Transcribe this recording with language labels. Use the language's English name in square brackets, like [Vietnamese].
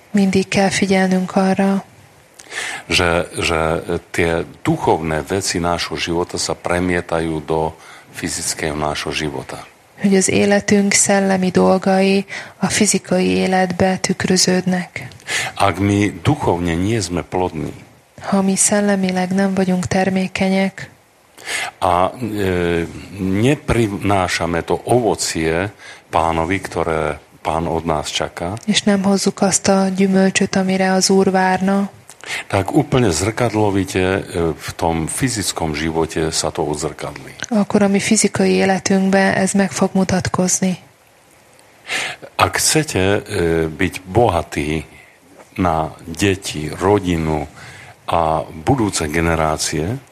[Hungarian] Mindig kell figyelnünk arra. [Slovak] Že tie duchovné veci nášho života sa premietajú do fyzického nášho života. [Hungarian] Hogy az életünk szellemi dolgai a fizikai életbe tükröződnek. [Slovak] Ak mi duchovne nie sme plodní. [Hungarian] Ha mi szellemileg nem vagyunk termékenyek. [Slovak] A neprinášame to ovocie Pánovi, ktoré Pán od nás čaká. [Hungarian] És nem hozzuk azt a gyümölcsöt, amire az Úr várna. [Slovak] Tak úplne zrkadlovite v tom fyzickom živote sa to odzrkadlí. [Hungarian] Akkor a mi fizikai életünkbe ez meg fog mutatkozni. [Slovak] Ak chcete byť bohatý na deti, rodinu a budúce generácie,